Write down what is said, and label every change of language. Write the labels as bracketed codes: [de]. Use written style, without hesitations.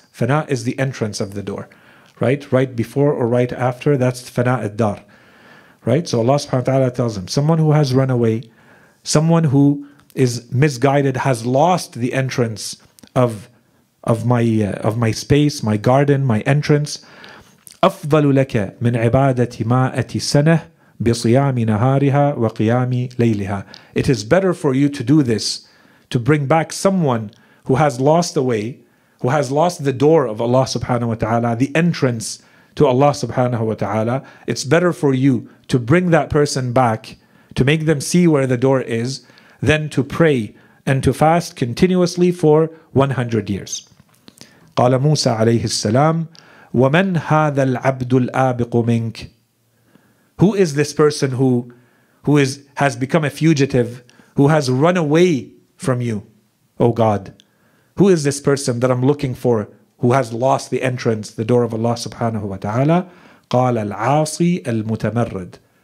[en] Fana is the entrance of the door, right? Right before or right after, that's fana ad-dar, right? So Allah subhanahu wa ta'ala tells him, someone who has run away, someone who is misguided, has lost the entrance of my space, my garden, my entrance. [ar] أفضل لك من عبادة مائة سنة بصيام نهارها وقيام ليلها. [en] It is better for you to do this, to bring back someone who has lost the way, who has lost the door of Allah subhanahu wa ta'ala, the entrance to Allah subhanahu wa ta'ala. It's better for you to bring that person back, to make them see where the door is, than to pray and to fast continuously for 100 years. [ar] قال موسى عليه السلام ومن هذا العبد الآبق منك. [en] Who is this person who has become a fugitive, who has run away from you, O God? Who is this person that I'm looking for, who has lost the entrance, the door of Allah subhanahu wa ta'ala? [ar] قال العاصي المتمرد.